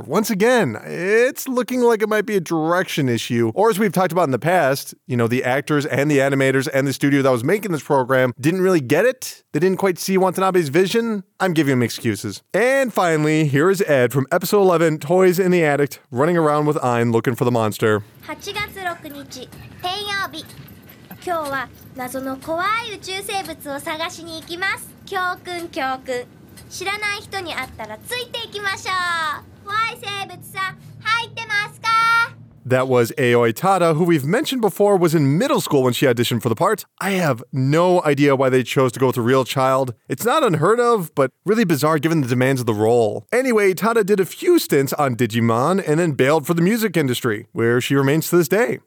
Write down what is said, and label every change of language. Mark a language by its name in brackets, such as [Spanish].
[English] Once again, it's looking like it might be a direction issue. Or as we've talked about in the past, you know, the actors and the animators and the studio that was making this program didn't really get it. They didn't quite see Watanabe's vision. I'm giving him excuses. And finally, here is Ed from episode 11, Toys in the Attic, running around with Ayn looking for the monster. [Japanese] 8月6日、天曜日。今日は謎の怖い宇宙生物を探しに行きます。教訓、教訓。知らない人に会ったらついていきましょう。怖い生物さん、入ってますか? [English] That was Aoi Tada, who we've mentioned before was in middle school when she auditioned for the part. I have no idea why they chose to go with a real child. It's not unheard of, but really bizarre given the demands of the role. Anyway, Tada did a few stints on Digimon and then bailed for the music industry, where she remains to this day.